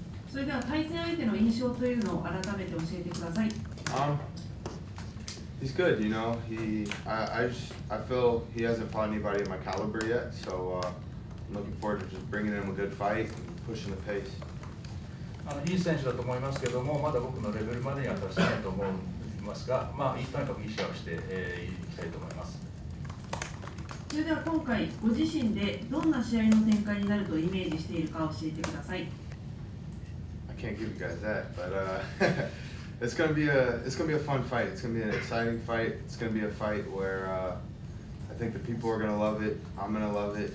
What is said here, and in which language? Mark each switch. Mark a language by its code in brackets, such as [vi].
[ja] それでは対戦相手の印象というのを改めて教えてください。 [en] He's good, you know. I feel he hasn't fought anybody in my caliber yet, so I'm looking forward to just bringing him a good fight and pushing the pace. [ja] いい選手だと思いますけども、まだ僕のレベルまでには達してないと思う。ますが、まあ、とにかく意思をして、いきたいと思います。それでは今回ご自身でどんな試合の展開になるとイメージしているか教えてください。 [en] I can't give you guys that, but it's gonna be a fun fight. It's gonna be an exciting fight. It's gonna be a fight where I think the people are gonna love it. I'm gonna love it.